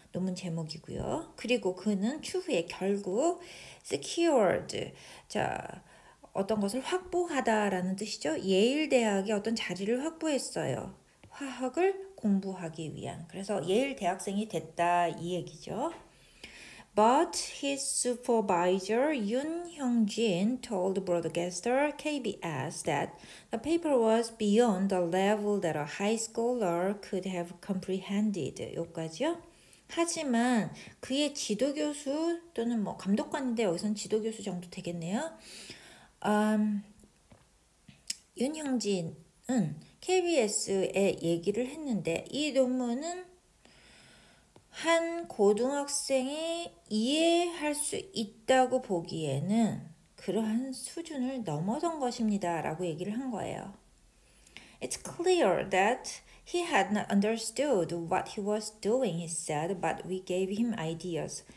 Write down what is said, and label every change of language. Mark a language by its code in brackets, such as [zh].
[ko] 논문 제목이고요. 그리고 그는 추후에 결국 secured 자 어떤 것을 확보하다라는 뜻이죠. 예일 대학이 어떤 자리를 확보했어요. 화학을 공부하기 위한. 그래서 예일 대학생이 됐다 이 얘기죠. [en] But his supervisor Yoon Hyung-jin told broadcaster KBS that the paper was beyond the level that a high scholar could have comprehended. [ko] 여기까지요. 하지만 그의 지도교수 또는 뭐 감독관인데 여기서는 지도교수 정도 되겠네요. 윤형진은 KBS에 얘기를 했는데 이 논문은 한 고등학생이 이해할 수 있다고 보기에는 그러한 수준을 넘어선 것입니다 라고 얘기를 한 거예요. [en] It's clear that he had not understood what he was doing, he said, but we gave him ideas.